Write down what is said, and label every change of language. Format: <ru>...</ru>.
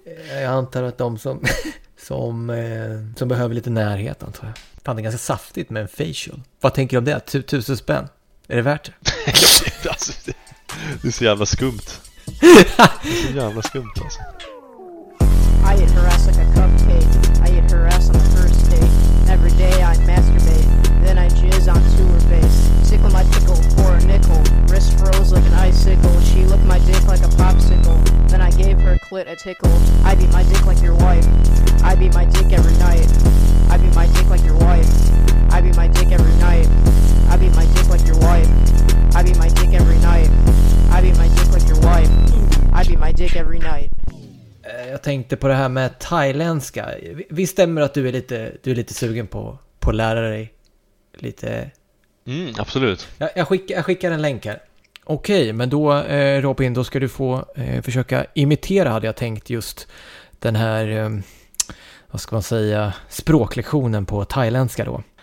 <sv>Jag antar att de som behöver lite närhet antar jag. Fan, det är ganska saftigt med en facial. Vad tänker du om det? 1000 spänn? Är det värt det? Alltså, det är så jävla skumt. Det är så jävla skumt alltså.</sv> <en>I eat her ass like a cupcake. I eat her ass on the first date. Every day I masturbate. Then I jizz on to her face. Tickle my pickle for a nickel. Wrist froze like an icicle. She licked my dick like a popsicle. Then I gave her clit a tickle. I beat my dick like your wife. I beat my dick every night. I beat my dick like your wife. I beat my dick every night. I beat my dick like your wife. I beat my dick every night. I beat my dick like your wife. I beat my dick every night.</en> <sv>Jag tänkte på det här med thailändska. Vi stämmer att du är lite sugen på att lära dig lite. Mm, absolut. Jag skickar en länk här. Okej, men då Robin, då ska du få försöka imitera, hade jag tänkt, just den här vad ska man säga, språklektionen på thailändska då.</sv>